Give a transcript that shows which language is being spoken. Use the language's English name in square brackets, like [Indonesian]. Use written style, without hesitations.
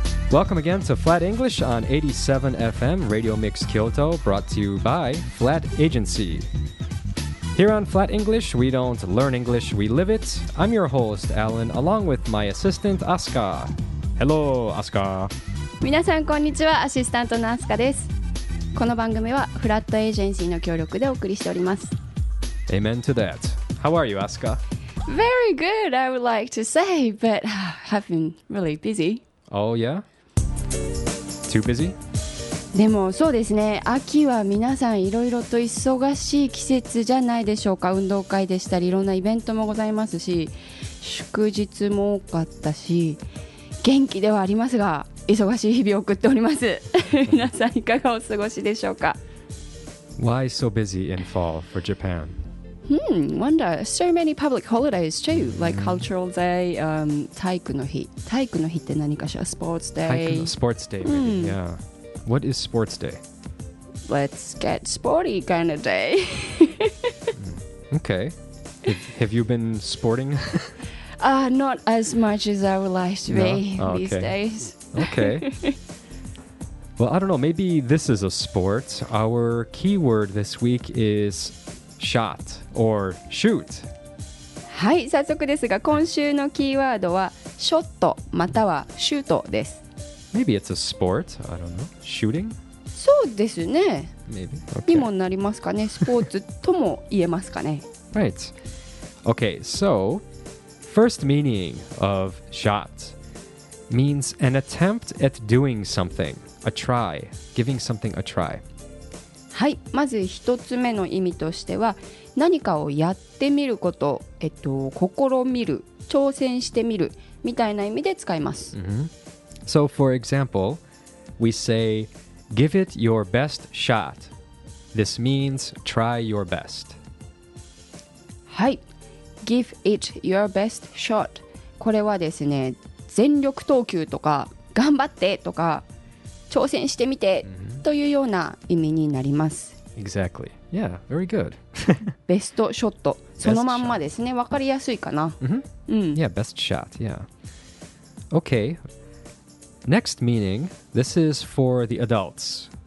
[English] Welcome again to Flat English on 87FM Radio Mix Kyoto, brought to you by Flat Agency. Here on Flat English, we don't learn English, we live it. I'm your host, Alan, along with my assistant, Asuka. Hello, Asuka. [Japanese] 皆さん、こんにちは。アシスタントの Asuka です。この番組は Flat Agency の協力でお送りしております。 [English] Amen to that. How are you, Asuka? Very good, I would like to say, but I've been really busy. Oh yeah? Too busy? [Japanese] でもそうですね、秋は皆さんいろいろと忙しい季節じゃないでしょうか。運動会でしたり、いろんなイベントもございますし、祝日も多かったし、元気ではありますが忙しい日々を送っております。皆さんいかがお過ごしでしょうか。 [English] Why so busy in fall for Japan? Wonder. So many public holidays too, like Cultural Day, 体育の日。 [Japanese] 体育の日って何かしら? [English] Sports Day. Sports Day, maybe,、mm. yeah. What is Sports Day? Let's get sporty kind of day. Okay. Have you been sporting? not as much as I would like to be these days. Okay. Well, I don't know. Maybe this is a sport. Our keyword this week is... Shot or shoot. [Japanese] はい、早速ですが、今週のキーワードはショットまたはシュートです。 [English] Maybe it's a sport. I don't know. Shooting? [Japanese] そうですね。 [English] Maybe. [Japanese] Okay. にもなりますかね。スポーツとも言えますかね。 [English] Right. Okay. So, first meaning of shot means an attempt at doing something, a try, giving something a try. [Japanese] はい、まず一つ目の意味としては、何かをやってみること、試みる、挑戦してみるみたいな意味で使います、 mm-hmm. [English] So for example, we say give it your best shot. This means try your best. はい、 give it your best shot. [Japanese] これはですね、全力投球とか頑張ってとか挑戦してみて、mm-hmm. というような意味になります。 [English] Exactly. Yeah, very good. [Japanese] ベストショット、そのまんまですね。わかりやすいかな、 mm-hmm. [English] うん、Yeah, best shot. Yeah. Okay. Next meaning, this is for the adults.